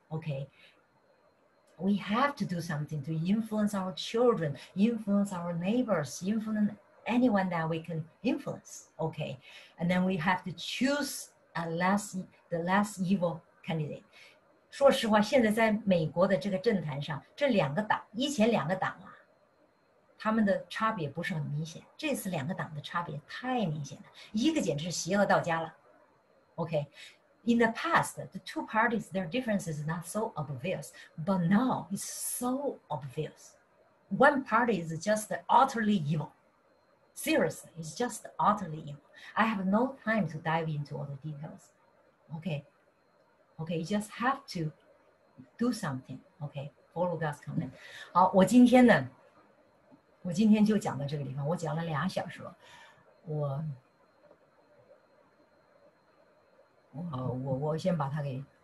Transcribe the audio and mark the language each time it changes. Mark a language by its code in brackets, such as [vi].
[en] Okay, we have to do something to influence our children, influence our neighbors, influence anyone that we can influence. Okay, and then we have to choose the less evil candidate. [zh] 说实话，现在在美国的这个政坛上，这两个党，以前两个党啊。他们的差别不是很明显，这次两个党的差别太明显了，一个简直是邪恶到家了。 [en] Okay, in the past, the two parties, their difference is not so obvious, but now it's so obvious. One party is just utterly evil. Seriously, it's just utterly evil. I have no time to dive into all the details. Okay, you just have to do something. Okay, follow God's command. [zh] 好，我今天就讲到这个地方，我讲了俩小时了，我先把它给